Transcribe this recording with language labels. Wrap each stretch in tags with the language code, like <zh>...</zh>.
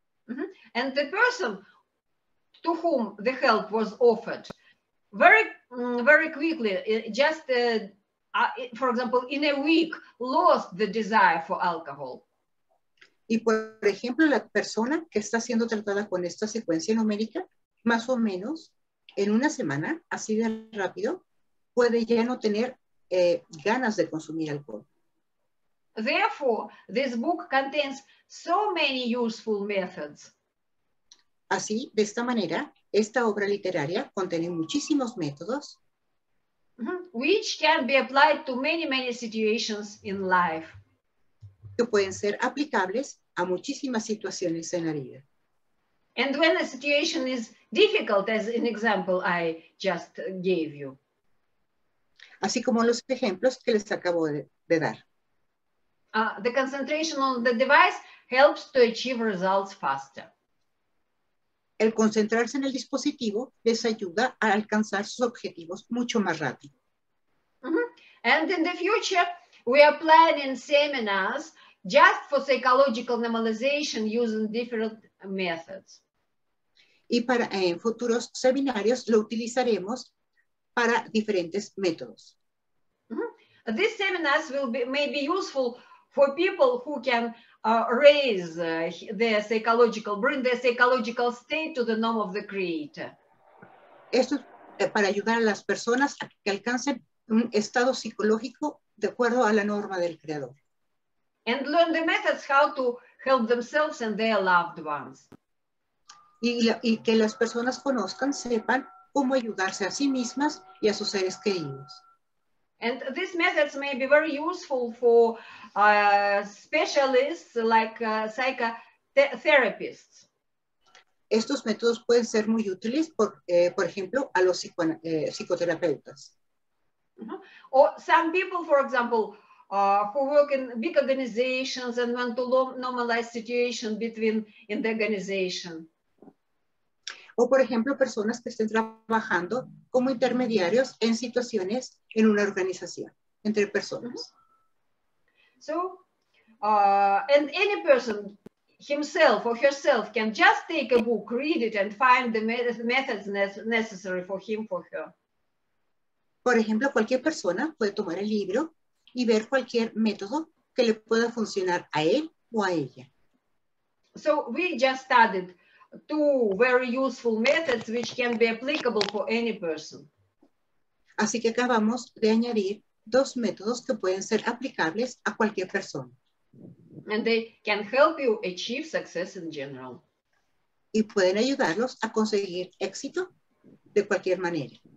<en>Mm-hmm. And the person to whom the help was offered, very, very quickly, just, for example, in a week, lost the desire for alcohol.</en> <es>Y por ejemplo, la persona que está siendo tratada con esta secuencia numérica, más o menos en una semana, así de rápido, puede ya no tener ganas de consumir alcohol.</es> <en>Therefore, this book contains so many useful methods.</en> <es>Así, de esta manera, esta obra literaria contiene muchísimos métodos. Mm-hmm.</es> <en>Which can be applied to many, many situations in life.</en> <es>Que pueden ser aplicables a muchísimas situaciones en la vida.</es> <en>And when a situation is difficult, as an example I just gave you.</en> <es>Así como los ejemplos que les acabo de dar.</es> <en>The concentration on the device helps to achieve results faster.</en> <es>El concentrarse en el dispositivo les ayuda a alcanzar sus objetivos mucho más rápido. Mm-hmm.</es> <en>And in the future, we are planning seminars just for psychological normalization using different methods.</en> <es>Y para en futuros seminarios lo utilizaremos para diferentes métodos. Mm-hmm.</es> <en>These seminars will be, may be useful for people who can raise their psychological, bring their psychological state to the norm of the creator.</en> <es>Esto es para ayudar a las personas a que alcancen un estado psicológico de acuerdo a la norma del creador.</es> <en>And learn the methods how to help themselves and their loved ones.</en> <es>Y que las personas conozcan, sepan, cómo ayudarse a sí mismas y a sus seres queridos.</es> <en>And these methods may be very useful for specialists like psychotherapists.</en> <es>Estos métodos pueden ser muy útiles, por ejemplo, a los psicoterapeutas.</es> <en>Or some people, for example, who work in big organizations and want to normalize situation between in the organization.</en> <es>O por ejemplo, personas que estén trabajando como intermediarios en situaciones en una organización, entre personas. Mm-hmm.</es> <en>So, and any person, himself or herself, can just take a book, read it, and find the methods necessary for him or her.</en> <es>Por ejemplo, cualquier persona puede tomar el libro y ver cualquier método que le pueda funcionar a él o a ella.</es> <en>So, we just started two very useful methods which can be applicable for any person.</en> <es>Así que acabamos de añadir dos métodos que pueden ser aplicables a cualquier persona.</es> <en>And they can help you achieve success in general.</en> <es>Y pueden ayudarlos a conseguir éxito de cualquier manera.</es>